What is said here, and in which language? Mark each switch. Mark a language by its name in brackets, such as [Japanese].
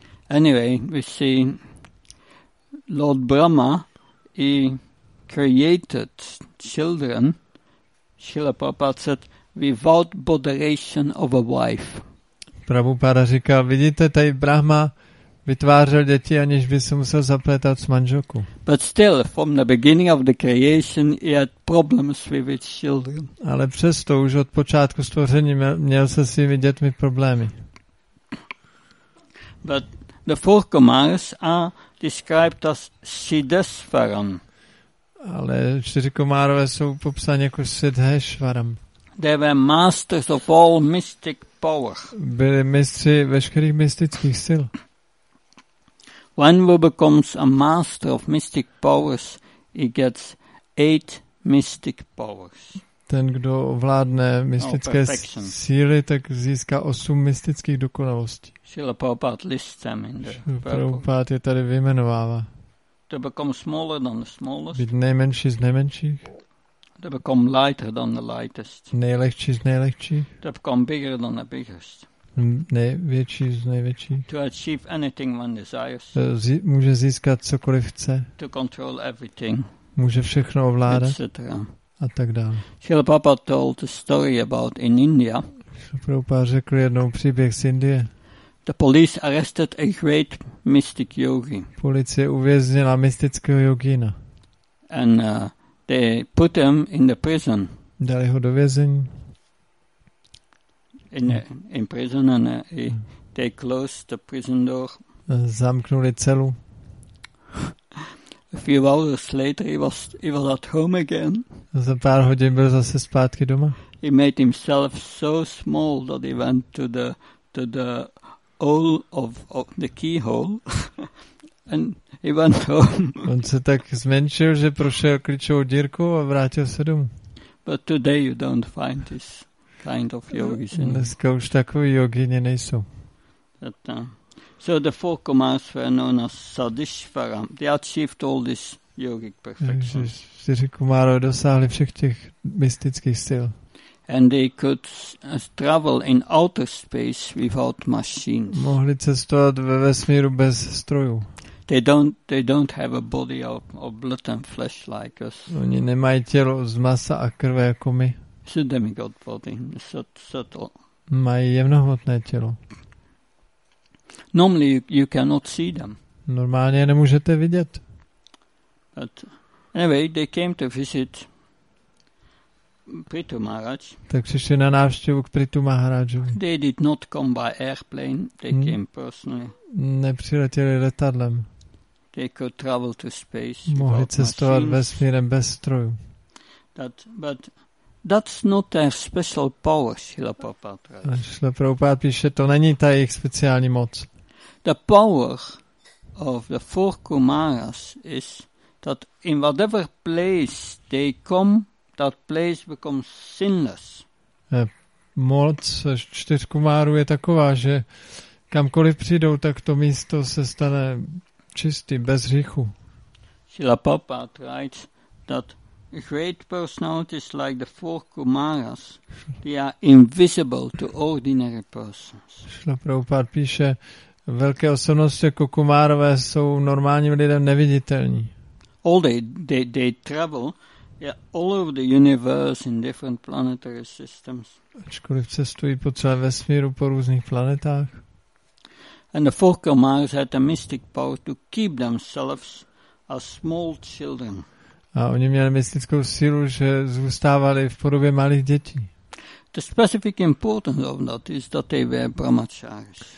[English] Anyway, we see Lord Brahma, he created children, Srila Prabhupada said, without botheration of a wife. [Czech] Prabhupada říká, vidíte, tady Brahma vytvářel děti, aniž by se musel zaplétat s manželkou. [English] But still, from the beginning of the creation, he had problems with his children. [Czech] Ale přesto už od počátku stvoření měl se svými dětmi problémy. [English] But the four kumaras are described as Siddhesvaram. [Czech] Ale čtyři kumárové jsou popsáni jako Siddheshvaram. [English] They were masters of all mystic power. [Czech] Byli mistři veškerých mystických sil. [English] When one becomes a master of mystic powers, he gets 8 mystic powers. [Czech] Ten, kdo ovládne mystické síly, tak získá 8 mystických dokonalostí. [English] Srila Prabhupada lists them in the purple. [Czech] Prabhupada je tady vyjmenovává. [English] To become smaller than the smallest. [Czech] Být nejmenší z nejmenších. [English] To become lighter than the lightest. [Czech] Nejlehčí z nejlehčích. [English] To become bigger than the biggest. [Czech] Největší z největší. [English] To achieve anything one desires. [Czech] Může získat cokoliv chce. [English] To control everything. [Czech] Může všechno ovládat. A tak dále. [English] Srila Prabhupada told a story about in India. [Czech] Prabhupada řekl jednou příběh z Indie. [English] The police arrested a great mystic yogi. [Czech] Policie uvěznila mystického jogína. [English] And they put him in the prison. [Czech] Dali ho do vězení. [English] In prison and they closed the prison door. [Czech] Zamknuli celu. [English] A few hours later he was at home again. [Czech] Za pár hodin byl zase zpátky doma. [English] He made himself so small that he went to the hole of the keyhole and he went home. [Czech] On se tak zmenšil, že prošel klíčovou dírku a vrátil se domů. [English] But today you don't find this kind of yogis. [Czech] Dneska už takový jogini nejsou. [English] So the four kumaras were known as Siddhesvaram. They achieved all this yogic perfection. [Czech] Čtyři kumárové dosáhli všech těch mystických sil. [English] And they could travel in outer space without machines. [Czech] Mohli cestovat ve vesmíru bez strojů. [English] They don't have a body of blood and flesh like us. [Czech] Oni nemají tělo z masa a krve jako my. [English] It's a demigod body, subtle. [Czech] Mají jemnohmotné tělo. [English] Normally you cannot see them. [Czech] Normálně nemůžete vidět. [English] But anyway, they came to visit Prithu Maharaj. [Czech] Tak přišli na návštěvu k Prithu Maharajovi. [English] They did not come by airplane, they came personally. [Czech] Nepřiletěli letadlem. [English] They could travel to space. [Czech] Mohli cestovat vesmírem bez strojů. [English] But that's not their special power, Srila Prabhupada. [Czech] Srila Prabhupada píše, to není ta jejich speciální moc. [English] The power of the four Kumaras is that in whatever place they come, that place becomes sinless. [Czech] Moc čtyř Kumarů je taková, že kamkoliv přijdou, tak to místo se stane čistý, bez hříchu. [English] Srila Prabhupada writes that great personalities like the four Kumaras, they are invisible to ordinary persons. [Czech] Srila Prabhupada píše, velké osobnosti jako Kumarové jsou normálním lidem neviditelní. [English] All they travel, yeah, all over the universe in different planetary systems. [Czech] Ačkoliv cestují po celé vesmíru po různých planetách. [English] And the four Kumaras had a mystic power to keep themselves as small children. [Czech] A oni měli mystickou sílu, že zůstávali v podobě malých dětí. [English] The specific importance of that is that they were brahmacharis.